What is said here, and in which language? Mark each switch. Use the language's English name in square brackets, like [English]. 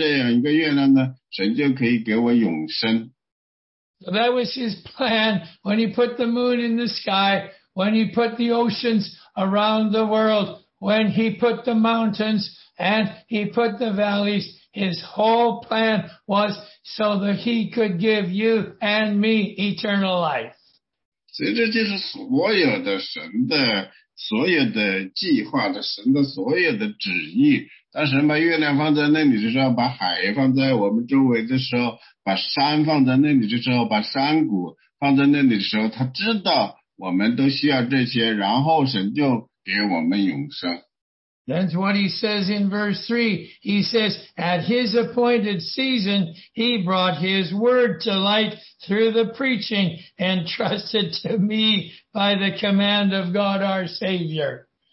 [Chinese] 所以呢，你就是说你不知道，但是我知道啊。我知道为什么月亮在你什么月亮放在那里，是因为神知道我在地球上需要一个月亮。就我在地球上有那个月亮，这个月亮呢，就可以让我活在这个地球上。我需要这样一个月亮呢，神就可以给我永生。 [English] So that was his plan when he put the moon in the sky, when he put the oceans around the world, when he put the mountains and he put the valleys. His whole plan was so that he could give you and me eternal life. [Chinese] 所以这就是所有的神的所有的计划的神的所有的旨意。当神把月亮放在那里的时候，把海放在我们周围的时候，把山放在那里的时候，把山谷放在那里的时候，他知道我们都需要这些，然后神就给我们永生。 [English] That's what he says in verse 3. He says, at his appointed season, he brought his word to light through the preaching entrusted to me by the command of God our Savior.